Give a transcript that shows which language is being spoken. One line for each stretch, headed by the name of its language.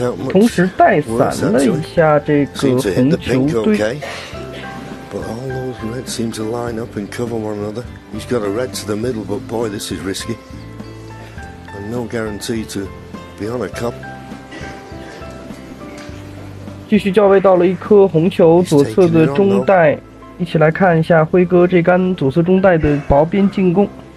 Chinese: 同时带散了一下这个红球堆。
English: But all those reds seem to line up and cover one another. He's got a red to the middle, but boy, this is risky. And no guarantee to be on a cup.
Chinese: 继续校尉到了一颗红球左侧的中带，一起来看一下辉哥这杆左侧中带的薄边进攻。